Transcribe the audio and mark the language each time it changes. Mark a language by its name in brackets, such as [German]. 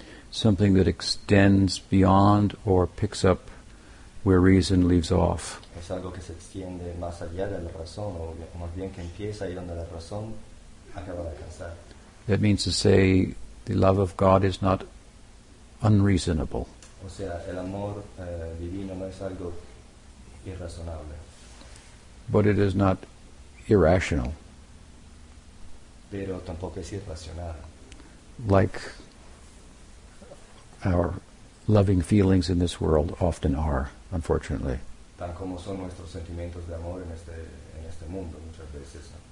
[English] Something that extends beyond or picks up where reason leaves off. [Spanish] Es algo que se extiende más allá de la razón, o más bien que empieza ahí donde la razón acaba de alcanzar. [English] That means to say, the love of God is not unreasonable. [Spanish] O sea, el amor divino no es algo irrazonable. [English] But it is not irrational. [Spanish] Pero tampoco es irracional. [English] Like our loving feelings in this world often are, unfortunately. [Spanish] Tan como son nuestros sentimientos de amor en este mundo muchas veces.